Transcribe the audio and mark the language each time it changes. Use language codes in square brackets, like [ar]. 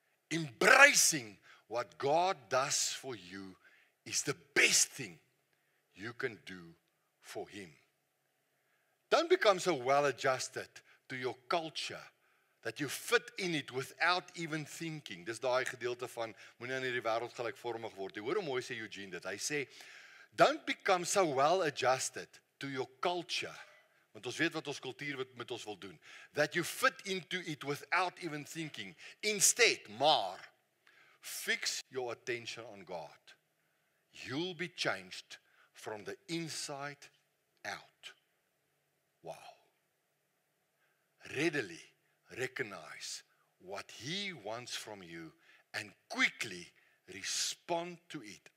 [en] Embracing what God does for you is the best thing you can do for Him. Don't become so well adjusted to your culture that you fit in it without even thinking. [af] Dis daai gedeelte van moenie aan hierdie wêreld gelykvormig word. Hoor hoe mooi sê Eugene dit. Hy sê, [en] don't become so well adjusted to your culture. [af] Want ons weet wat ons kultuur met ons wil doen. [en] That you fit into it without even thinking. Instead, maar, fix your attention on God. You'll be changed from the inside out. Wow. Readily recognize what He wants from you and quickly respond to it.